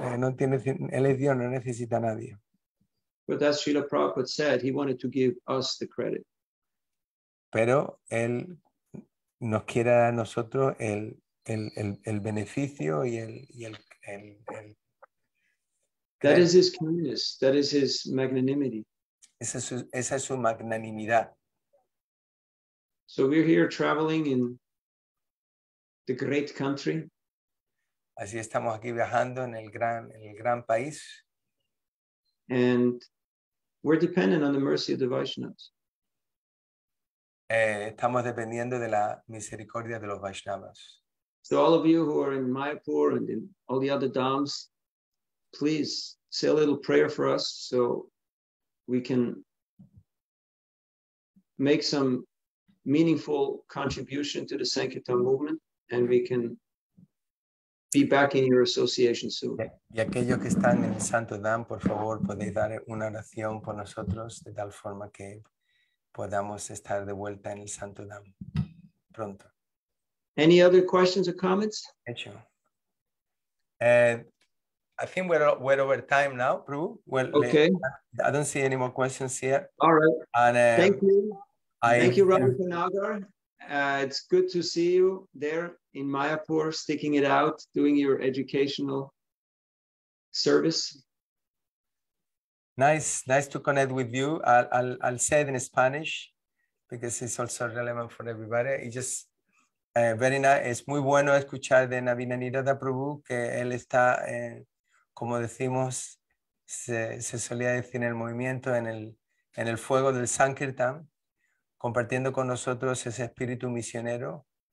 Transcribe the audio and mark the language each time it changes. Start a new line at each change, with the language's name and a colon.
Spanish: No tiene, él es Dios, no necesita a nadie.
English: But as Srila Prabhupada said, he wanted to give us the credit.
Spanish: Pero él nos quiere a nosotros el beneficio y el
English: That is his kindness. That is his magnanimity.
Spanish: Esa es su magnanimidad.
English: So we're here traveling in the great country.
Spanish: Así estamos aquí viajando en el gran país.
English: And we're dependent on the mercy of the Vaishnavas.
Spanish: Estamos dependiendo de la misericordia de los Vaishnavas.
English: So all of you who are in Mayapur and in all the other dhams, please say a little prayer for us so we can make some meaningful contribution to the Sankirtan movement and we can be back in your association soon.
Spanish: Y aquellos que están en el Santo Dham, por favor, podéis dar una oración por nosotros de tal forma que podamos estar de vuelta en el Santo Dham pronto.
English: Any other questions or comments? Hecho. I think we're over time now, Prue. Well, okay. I don't see any more questions here. All right. And, thank you. Thank you, Robert Panagar. It's good to see you there in Mayapur, sticking it out, doing your educational service. Nice to connect with you. I'll say it in Spanish because it's also relevant for everybody. It just very nice.
Spanish: Es muy bueno escuchar de Navinanirada Prabhu que él está, como decimos, se solía decir en el movimiento, en el fuego del Sankirtan, compartiendo con nosotros ese espíritu misionero.